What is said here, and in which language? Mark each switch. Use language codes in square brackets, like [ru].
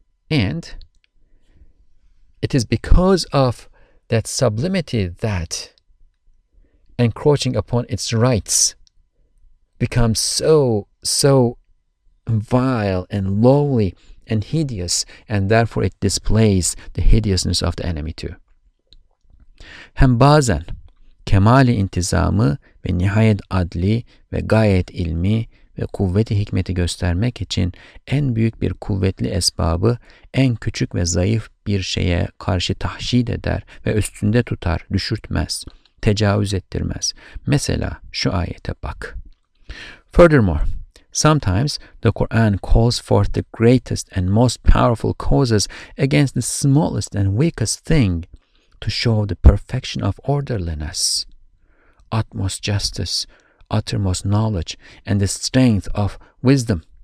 [en] And it is because of that sublimity that encroaching upon its rights becomes so, so vile and lowly and hideous, and therefore it displays the hideousness of the enemy too. [tr] Hem bazen kemali intizamı ve nihayet adli ve gayet ilmi ve kuvveti hikmeti göstermek için en büyük bir kuvvetli esbabı en küçük ve zayıf bir şeye karşı tahşid eder ve üstünde tutar, düşürtmez, tecavüz ettirmez. Mesela şu ayete bak. [en] Furthermore, sometimes the Quran calls forth the greatest and most powerful causes against the smallest and weakest thing to show the perfection of orderliness, utmost justice, uttermost knowledge, and the strength of wisdom.